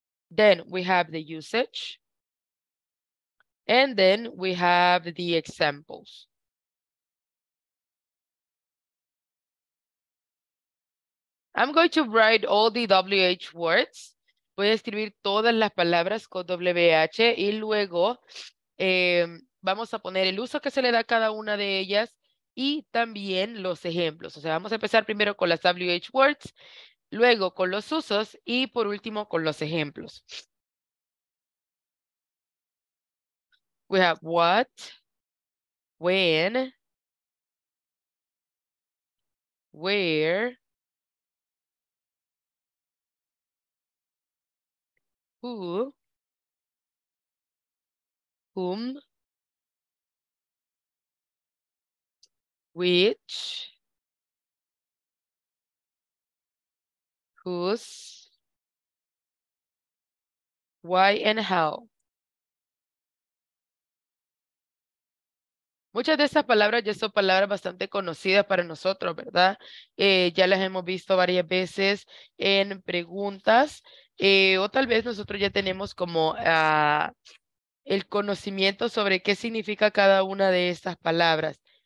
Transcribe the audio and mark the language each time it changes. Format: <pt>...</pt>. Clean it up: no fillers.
<en>Then we have the usage. And then we have the examples. I'm going to write all the WH words.</en> <es>Voy a escribir todas las palabras con WH y luego vamos a poner el uso que se le da a cada una de ellas y también los ejemplos. O sea, vamos a empezar primero con las WH words, luego con los usos y por último con los ejemplos.</es> <en>We have what, when, where, who, whom, which, whose, why and how.</en> <es>Muchas de estas palabras ya son palabras bastante conocidas para nosotros, ¿verdad? Ya las hemos visto varias veces en preguntas. O tal vez nosotros ya tenemos como el conocimiento sobre qué significa cada una de estas palabras.</es>